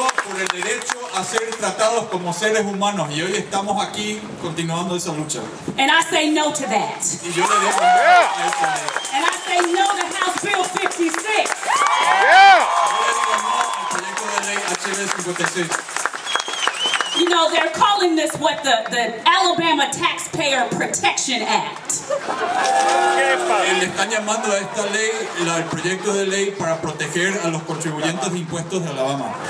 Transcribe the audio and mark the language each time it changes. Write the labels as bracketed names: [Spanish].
[Spanish] Por el derecho a ser tratados como seres humanos y hoy estamos aquí continuando esa lucha. [English] And I say no to that. [Spanish] Y yo le digo no a eso. [English] And I say no to House Bill 56. [Spanish] Yo le digo no al proyecto de ley HB 56. [English] know, they're calling this what the Alabama Taxpayer Protection Act. [Spanish] Están llamando a esta ley el proyecto de ley para proteger a los contribuyentes de impuestos de Alabama.